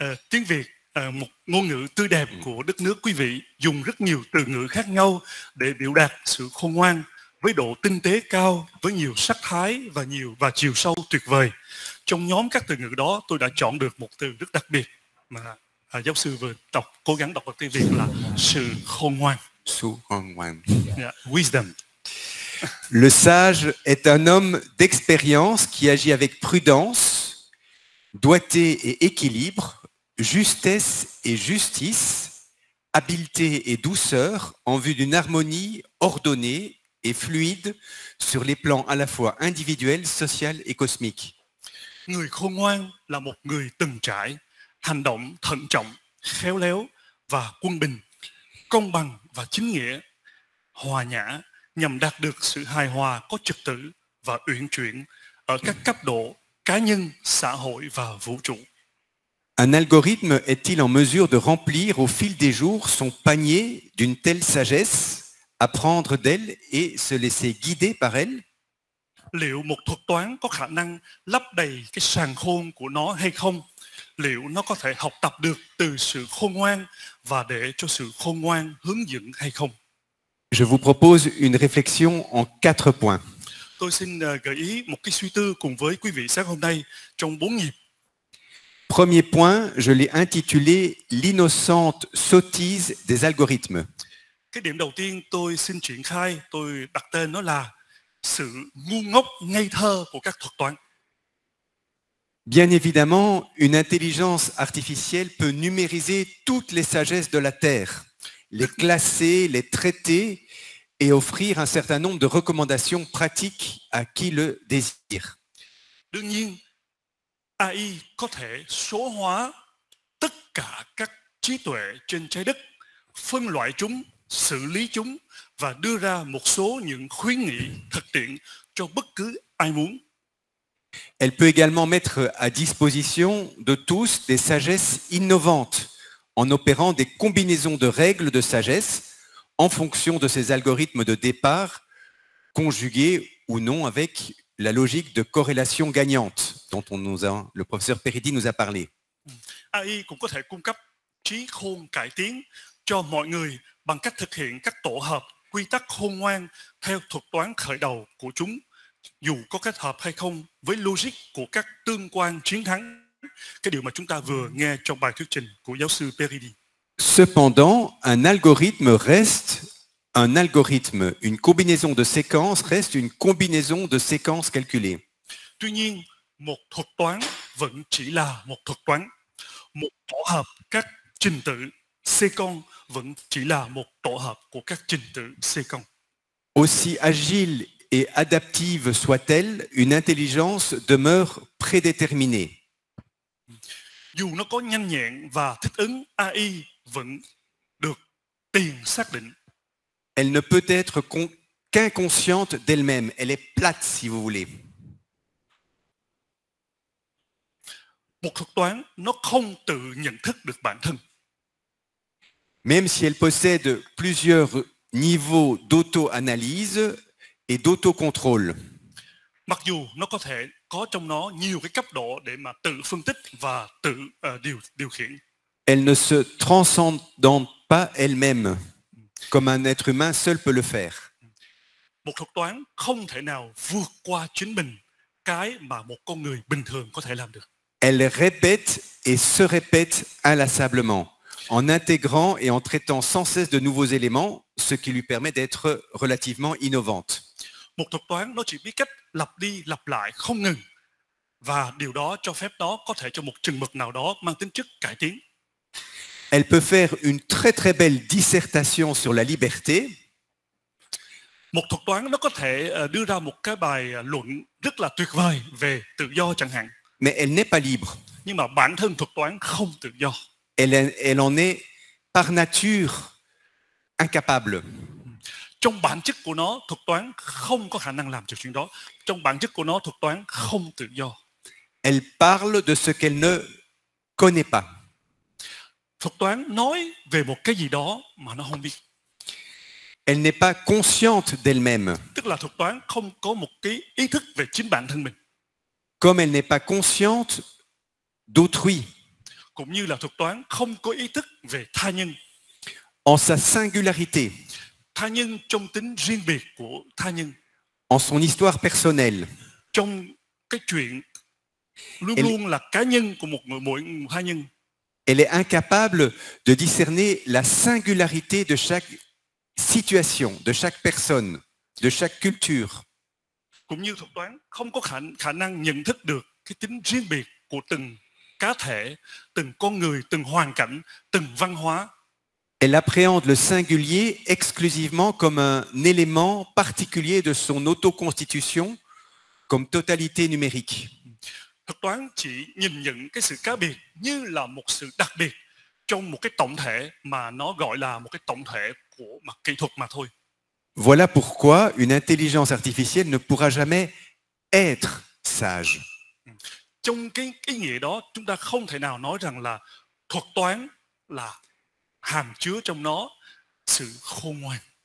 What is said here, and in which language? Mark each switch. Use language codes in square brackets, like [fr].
[vi] Tiếng Việt, một ngôn ngữ tươi đẹp của đất nước quý vị, dùng rất nhiều từ ngữ khác nhau để biểu đạt sự khôn ngoan, với độ tinh tế cao, với nhiều sắc thái và nhiều và chiều sâu tuyệt vời. Trong nhóm các từ ngữ đó, tôi đã chọn được một từ rất đặc biệt mà giáo sư vừa đọc, cố gắng đọc được tiếng Việt là sự khôn ngoan. Sự khôn ngoan. [en] Yeah. Wisdom. [fr] Le sage est un homme d'expérience qui agit avec prudence, doigté et équilibre, justesse et justice, habileté et douceur en vue d'une harmonie ordonnée et fluide sur les plans à la fois individuels, social et cosmique. [vi] Người khôn ngoan là một người từng trải, hành động thận trọng, khéo léo và quân bình, công bằng và chính nghĩa, hòa nhã nhằm đạt được sự hài hòa có trật tự và uyển chuyển ở các cấp độ cá nhân, xã hội và vũ trụ. [fr] Un algorithme est-il en mesure de remplir au fil des jours son panier d'une telle sagesse? Apprendre d'elle et se laisser guider par elle? [vi] Liệu một thuật toán có khả năng lấp đầy cái sàn khôn của nó hay không? Liệu nó có thể học tập được từ sự khôn ngoan và để cho sự khôn ngoan hướng dẫn hay không? [fr] Je vous propose une réflexion en quatre points. [vi] Tôi xin gợi ý một cái suy tư cùng với quý vị sáng hôm nay trong bốn nhịp. [fr] Premier point, je l'ai intitulé l'innocente sottise des algorithmes. [vi] Cái điểm đầu tiên tôi xin triển khai, tôi đặt tên nó là sự ngu ngốc ngây thơ của các thuật toán. [fr] Bien évidemment, une intelligence artificielle peut numériser toutes les sagesses de la Terre, les classer, les traiter et offrir un certain nombre de recommandations pratiques à qui le désire. [vi] Đương nhiên, AI có thể số hóa tất cả các trí tuệ trên trái đất, phân loại chúng, xử lý chúng và đưa ra một số những khuyến nghị thực tiễn cho bất cứ ai muốn. [fr] Elle peut également mettre à disposition de tous des sagesses innovantes en opérant des combinaisons de règles de sagesse en fonction de ces algorithmes de départ conjugués ou non avec la logique de corrélation gagnante dont le professeur Peridi nous a parlé. [vi] AI cũng có thể cung cấp trí khôn cải tiến cho mọi người bằng cách thực hiện các tổ hợp quy tắc khôn ngoan theo thuật toán khởi đầu của chúng, dù có kết hợp hay không với logic của các tương quan chiến thắng, cái điều mà chúng ta vừa nghe trong bài thuyết trình của giáo sư Peridi. [fr] Cependant, un algorithme reste un algorithme. Une combinaison de séquences reste une combinaison de séquences calculées. [vi] Tuy nhiên, một thuật toán vẫn chỉ là một thuật toán. Một tổ hợp các trình tự séquences vẫn chỉ là một tổ hợp của các trình tự séquences. [fr] Aussi agile et adaptive soit-elle, une intelligence demeure prédéterminée. [vi] Dù nó có nhanh nhẹn và thích ứng, AI vẫn được tiền xác định. [fr] Elle ne peut être qu'inconsciente d'elle-même. Elle est plate, si vous voulez. [vi] Một thuật toán, nó không tự nhận thức được bản thân. [fr] Même si elle possède plusieurs niveaux d'auto-analyse et d'auto-contrôle. [vi] Mặc dù nó có thể có trong nó nhiều cái cấp độ để mà tự phân tích và tự điều khiển. [fr] Elle ne se transcende pas elle-même, comme un être humain seul peut le faire. [vi] Một thuật toán không thể nào vượt qua chính mình cái mà một con người bình thường có thể làm được. [fr] Elle répète et se répète inlassablement, en intégrant et en traitant sans cesse de nouveaux éléments, ce qui lui permet d'être relativement innovante. [vi] Một thuật toán nó chỉ biết cách lặp đi lặp lại không ngừng, và điều đó cho phép nó có thể cho một chừng mực nào đó mang tính chất cải tiến. [fr] Elle peut faire une très très belle dissertation sur la liberté. [vi] Một thuật toán nó có thể đưa ra một cái bài luận rất là tuyệt vời về tự do chẳng hạn. [fr] Mais elle n'est pas libre. [vi] Nhưng mà bản thân thuật toán không tự do. [fr] Elle en est par nature incapable. [vi] Trong bản chất của nó, thuật toán không có khả năng làm được chuyện đó. Trong bản chất của nó, thuật toán không tự do. [fr] Elle parle de ce qu'elle ne connaît pas. [vi] Thuật toán nói về một cái gì đó mà nó không biết. [fr] Elle n'est pas consciente d'elle-même. [vi] Tức là thuật toán không có một cái ý thức về chính bản thân mình. [fr] Comme elle n'est pas consciente d'autrui. [vi] Cũng như là thuật toán không có ý thức về tha nhân. [fr] En sa singularité. [vi] Tha nhân trong tính riêng biệt của tha nhân. [fr] En son histoire personnelle. [vi] Trong cái chuyện luôn luôn là cá nhân của một người mỗi tha nhân. [fr] Elle est incapable de discerner la singularité de chaque situation, de chaque personne, de chaque culture. [vi] Cũng như thuật toán không có khả năng nhận thức được cái tính riêng biệt của từng cá thể, từng con người, từng hoàn cảnh, từng văn hóa. [fr] Elle appréhende le singulier exclusivement comme un élément particulier de son autoconstitution, comme totalité numérique. [vi] Thuật toán chỉ nhìn nhận cái sự cá biệt như là một sự đặc biệt trong một cái tổng thể mà nó gọi là một cái tổng thể của mặt kỹ thuật mà thôi. [fr] Voilà pourquoi une intelligence artificielle ne pourra jamais être sage. [vi] Trong cái ý nghĩa đó, chúng ta không thể nào nói rằng là thuật toán là hàm chứa trong nó sự khôn ngoan.